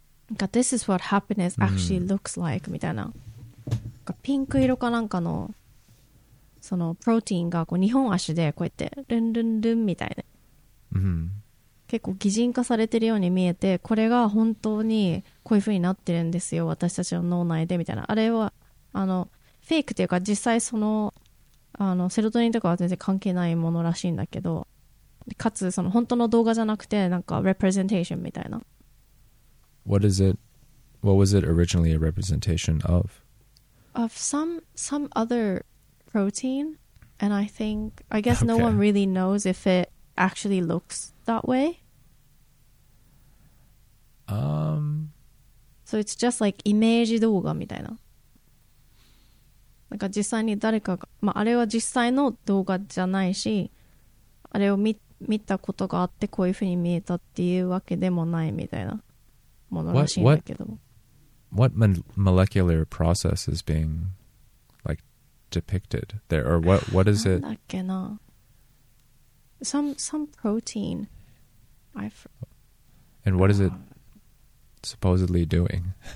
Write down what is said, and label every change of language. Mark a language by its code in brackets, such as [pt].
[ja] なんか [en] This is what happiness actually looks like [ja] みたいな、なんかピンク色かなんかのそのプロテインがこう2本足でこうやってルンルンルンみたいな、結構擬人化されてるように見えて、これが本当にこういう風になってるんですよ私たちの脳内でみたいな、あれはあのフェイクというか実際その、 あのセロトニンとかは全然関係ないものらしいんだけど、かつその本当の動画じゃなくてなんかレプレゼンテーションみたいな。 [en] What is it? What was it originally a representation of? Of some other protein, and I think I guess no one really knows if it actually looks that way. So it's just like image [ja] 動画みたいな。なんか実際に誰かが、まああれは実際の動画じゃないし、あれを 見たことがあってこういうふうに見えたっていうわけでもないみたいなものらしいんだけど。 [en] What molecular process is being like depicted there, or what is it? [ja] なんだっけな。 [en] Some protein. And what is it supposedly doing?